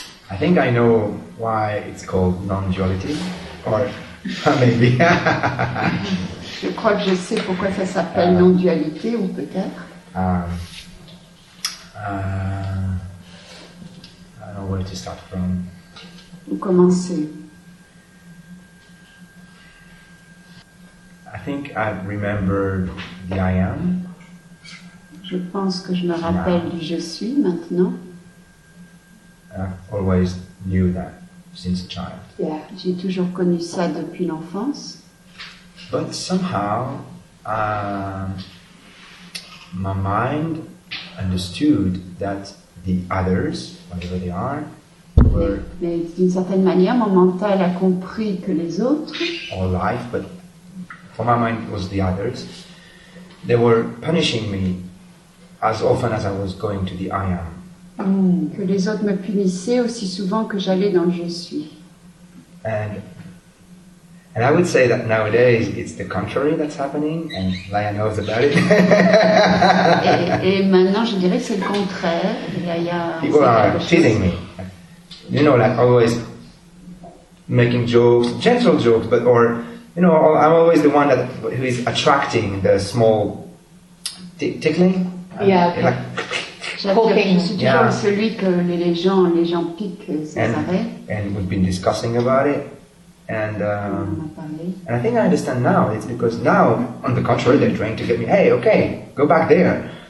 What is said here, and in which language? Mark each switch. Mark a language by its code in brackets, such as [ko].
[en] I think I know why it's called non-duality, or maybe. [fr] Je crois que je sais pourquoi ça s'appelle non-dualité, ou peut-être. [en] I don't know where to start from. [fr] Où commencer? [en] I think I remember the I am. [fr] Je pense que je me rappelle du je suis maintenant. [en] I've always knew that since a child. [fr] Yeah, j'ai toujours connu ça depuis l'enfance. [en] But somehow, my mind understood that the others, whatever they are, were. [fr] Mais d'une certaine manière, mon mental a compris que les autres. [en] Or life, but for my mind it was the others. They were punishing me as often as I was going to the I am. [fr] Que les autres me punissaient aussi souvent que j'allais dans le je suis. [en] And I would say that nowadays it's the contrary that's happening, and Laya knows about it. [fr] et maintenant je dirais que c'est le contraire. Laya, [en] people are teasing me. You know, like always making jokes, gentle jokes, but or, you know, I'm always the one that who is attracting the small tickling. Yeah. Okay. Like, [fr] je suis toujours celui que les gens piquent sans arrêt. [en] And we've been discussing about it. And I think I understand now. It's because now, on the contrary, they're trying to get me. Hey, okay, go back there.